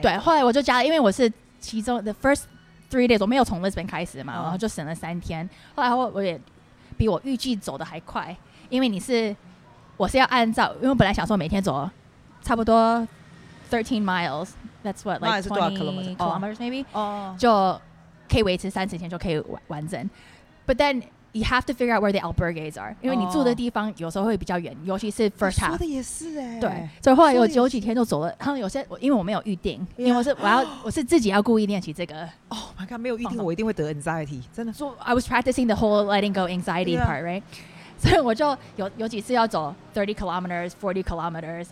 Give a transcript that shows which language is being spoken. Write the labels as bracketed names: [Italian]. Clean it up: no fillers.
[Chinese] 对，后来我就加了，因为我是其中 [English] the first three days， [Chinese] 我没有从 Lisbon 开始嘛，然后就省了3天。后来我也比我预计走的还快，因为我是要按照，因为本来想说每天走差不多13 miles。 [English] That's what, like 20 kilometers maybe? Oh. [Chinese] 就可以维持三十天就可以完整。 [English] But then you have to figure out where the albergues are. [Chinese] 因为你住的地方有时候会比较远，尤其是 [English] first half. [Chinese] 说的也是耶。对。所以后来有几天就走了，然后有些，因为我没有预定，因为我是自己要故意练习这个。 [English] Oh my god, [Chinese] 没有预定我一定会得 anxiety, 真的。 [English] So I was practicing the whole letting go anxiety part, right? [Chinese] 所以我就有几次要走30 kilometers, 40 kilometers.